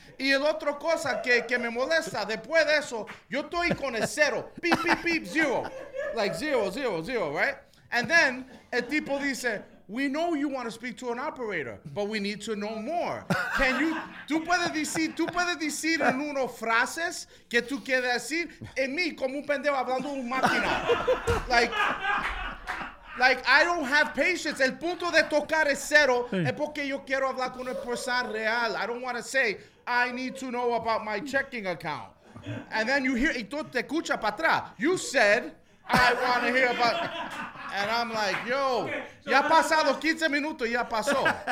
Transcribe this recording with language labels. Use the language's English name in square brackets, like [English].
[Spanish] Y el otro cosa que me molesta, después de eso, yo estoy con el cero. [English] Beep, beep, beep, zero. Like zero, zero, zero, right? And then [Spanish] el tipo dice, [English] we know you want to speak to an operator, but we need to know more. Can you, [Spanish] tú puedes decir en unos frases que tú quieres decir en mí como un pendejo hablando de una máquina. [English] Like, I don't have patience. [Spanish] El punto de tocar el cero es porque yo quiero hablar con una persona real. [English] I don't want to say, I need to know about my checking account. And then you hear, [Spanish] y tú te escuchas para atrás. [English] You said, I want to hear about, and I'm like, [Spanish] yo, ya ha pasado 15 minutos, ya pasó.